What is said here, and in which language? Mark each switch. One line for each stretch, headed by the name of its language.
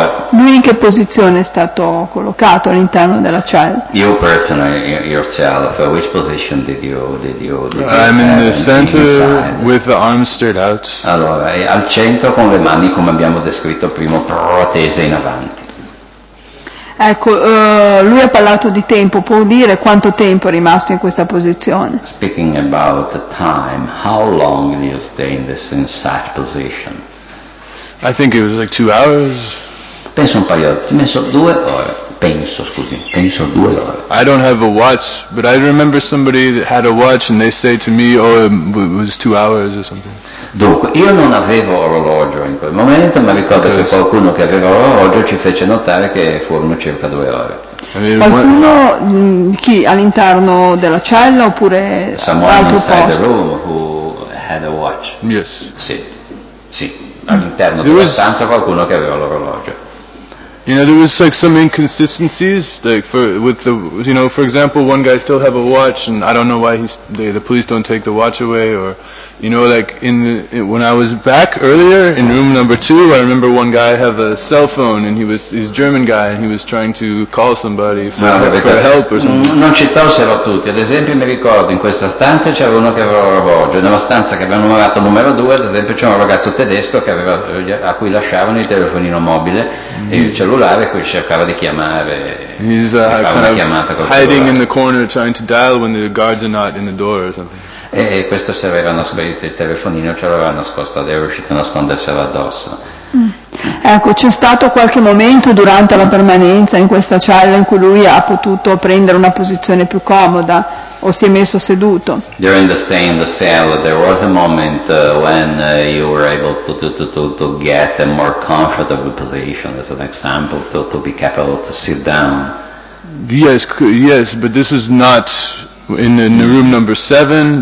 Italian: Lui in che posizione è stato collocato all'interno della cella?
English: You personally, yourself, which position did you I'm in the center with the arms straight out.
Italian: Allora, al centro con le mani, come abbiamo descritto prima, protese in avanti. Ecco, lui ha parlato di tempo, può dire quanto tempo è rimasto in questa posizione?
English: Speaking about the time, how long did you stay in this insat position? I think it was like 2 hours.
Italian: Penso un paio, penso 2 ore. Penso 2 ore.
English: I don't have a watch, but I remember somebody that had a watch and they say to me, oh, it was 2 hours or something.
Italian: Dunque, io non avevo orologio in quel momento, ma ricordo che qualcuno che aveva orologio ci fece notare che furono circa 2 ore. Qualcuno, chi, all'interno della cella oppure
English: someone
Italian: altro
English: inside
Italian: posto?
English: The room who had a watch. Yes.
Italian: Sì, sì. All'interno della stanza qualcuno che aveva l'orologio.
English: You know, there was like some inconsistencies, like for with the, you know, for example, one guy still have a watch, and I don't know why the police don't take the watch away, or, you know, like when I was back earlier in room number 2, I remember one guy have a cell phone, and he's a German guy, and he was trying to call somebody for help or something.
Italian: Non ci tolsero tutti. Ad esempio, mi ricordo in questa stanza c'era uno che aveva l'orologio. Nella stanza che abbiamo numerato numero 2, ad esempio, c'era un ragazzo tedesco che aveva, a cui lasciavano il telefonino mobile. Cellulare, qui cercava di chiamare.
English: He's hiding in the corner trying to dial when the guards are not in the door or something.
Italian: E questo si aveva nascosto il telefonino, ce l'aveva nascosto, ed è riuscito a nascondersela addosso. Ecco, c'è stato qualche momento durante la permanenza in questa cella in cui lui ha potuto prendere una posizione più comoda o si è messo seduto?
English: During the stay in the cell, there was a moment when you were able to get a more comfortable position, as an example, to be capable to sit down. Yes, but this was not in the room number 7.